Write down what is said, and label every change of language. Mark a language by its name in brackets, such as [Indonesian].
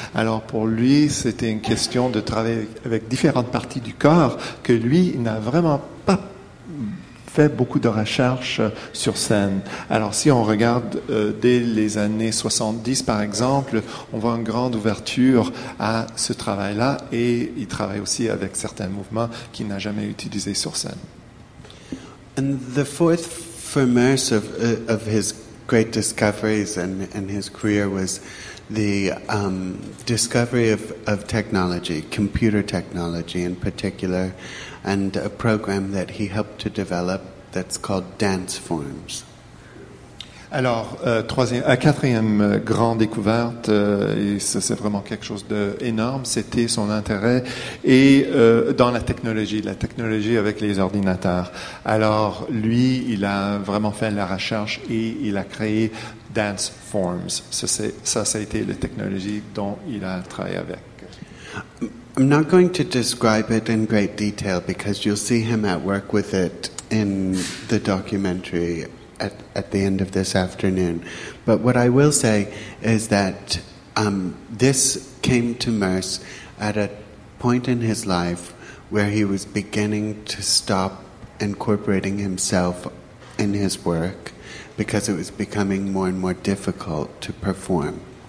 [French] Alors, pour lui, c'était une question de travailler avec différentes parties du corps que lui, il n'a vraiment pas fait beaucoup de recherches sur scène. Alors, si on regarde dès les années 70, par exemple, on voit une grande ouverture à ce travail-là, et il travaille aussi avec certains mouvements qu'il n'a jamais utilisés sur scène. [English] And the fourth for Merce of his great discoveries and his career was the discovery of technology, computer technology in particular, and a program that he helped to develop that's called Danceforms. [French] Alors, quatrième grande découverte, et ça, c'est vraiment quelque chose d'énorme, c'était son intérêt et dans la technologie avec les ordinateurs. Alors, lui, il a vraiment fait la recherche et il a créé Dance Forms. Ça a été la technologie dont il a travaillé avec. [English] I'm not going to describe it in great detail because you'll see him at work with it in the documentary at the end of this afternoon. But what I will say is that this came to Merce at a point in his life where he was beginning to stop incorporating himself in his work because it was becoming more and more difficult to perform.